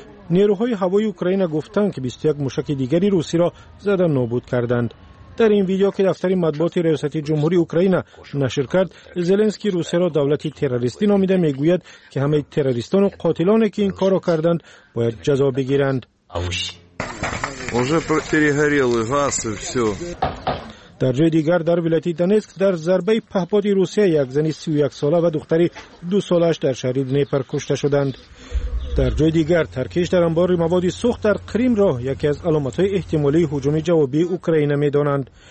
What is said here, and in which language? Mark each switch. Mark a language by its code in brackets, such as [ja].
[fa] نیروهای هوایی اوکراین گفتند که 21 موشک دیگری روسی را زدن نابود کردند. در این ویدیو که دفتر مطبوعات ریاست جمهوری اوکراین نشر کرد، زلنسکی روسیه را دولتی تروریستی نامیده، میگوید که همه تروریستان و قاتلانی که این کار را کردند باید جزا بگیرند. [ru] уже перегорели газ и все. [fa] در جای دیگر در ولایت دنسک در ضربه پهپاد روسیه یک زن 31 ساله و دختری 2 سالش در شهر دنپر کشته شدند. در جای دیگر ترکیش در انبار مواد سوخت در قریم را یکی از علامات های احتمالی هجوم جوابی اوکراین می دانند.